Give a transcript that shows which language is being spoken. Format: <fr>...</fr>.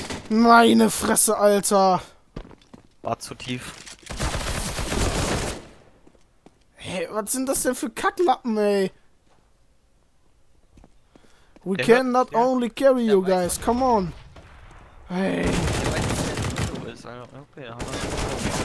<de>Meine Fresse, Alter! War zu tief. Hey, was sind das denn für Kacklappen, ey?</de> <en>We cannot only carry you guys, come on! Hey!</en> <de>Der weiß nicht, wer du bist, Alter. Okay, haben wir schon.</de>